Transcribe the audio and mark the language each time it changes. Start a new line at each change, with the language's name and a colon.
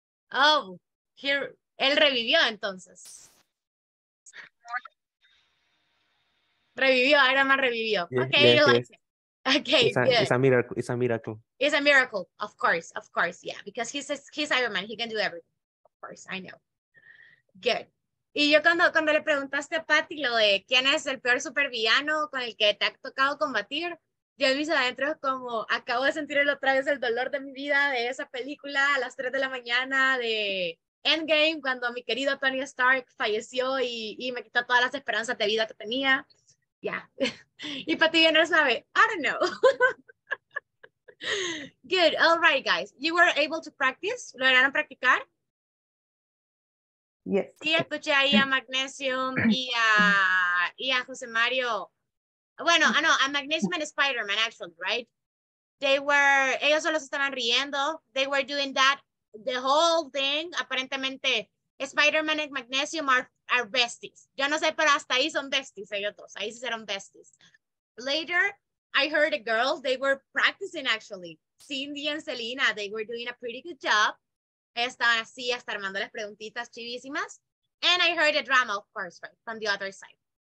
Spanish: Oh, él revivió entonces. Revivió, Iron Man revivió. Okay,
English: yeah, you like it. Okay, it's a miracle. It's a miracle, of course, yeah. Because he's Iron Man, he can do everything. Of course, I know. Good.
Spanish: Y yo cuando le preguntaste a Patty lo de quién es el peor supervillano con el que te ha tocado combatir, yo mis adentros como acabo de sentir el otra vez el dolor de mi vida de esa película a las 3 de la mañana de Endgame cuando mi querido Tony Stark falleció y me quitó todas las esperanzas de vida que tenía. Ya.
English: Yeah.
Spanish: Y Patty bien no sabe.
English: I don't know. Good. All right, guys. You were able to practice.
Spanish: ¿Lograron practicar?
English: Yes.
Spanish: Sí, escuché ahí a Magnesium y a José Mario. Bueno, no, a Magnesium and Spider-Man,
English: actually, right?
Spanish: Ellos solo se estaban riendo.
English: They were doing that, the whole thing.
Spanish: Aparentemente,
English: Spider-Man and Magnesium are besties.
Spanish: Yo no sé, pero hasta ahí son besties, ellos dos. Ahí se hicieron besties.
English: Later, I heard a girl, they were practicing, actually. Cindy and Selena, they were doing a pretty good job.
Spanish: Estaban así, hasta armando las preguntitas chivísimas.
English: And I heard a drama, of course, right, from the other side.